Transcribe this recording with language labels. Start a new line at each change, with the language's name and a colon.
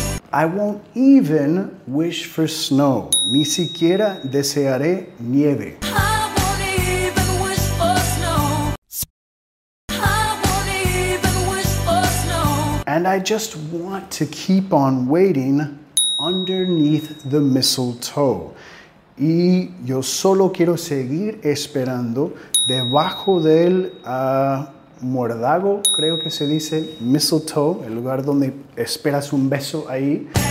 English: I won't even wish for snow.
Spanish: Ni siquiera desearé nieve.
English: I won't even wish for snow. I won't even wish for snow. And I just want to keep on waiting underneath the mistletoe.
Spanish: Y yo solo quiero seguir esperando debajo del muérdago, creo que se dice, mistletoe, el lugar donde esperas un beso ahí.